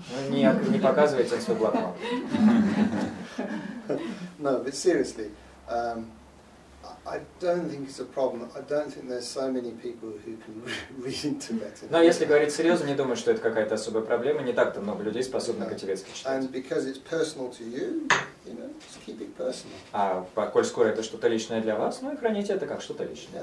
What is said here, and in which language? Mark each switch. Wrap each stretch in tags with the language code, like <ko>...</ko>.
<ru>Не показывайте свой блокнот.</ru> <en>No, but seriously, I don't think it's a problem. I don't think there's so many people who can read in Tibetan.</en> <ru>Но если говорить серьезно, не думаю, что это какая-то особая проблема. Не так-то много людей способны по-тибетски читать.</ru> <en>And because it's personal to you, you know, just keep it personal.</en> <ru>А коль скоро это что-то личное для вас, ну и храните это как что-то личное.</ru>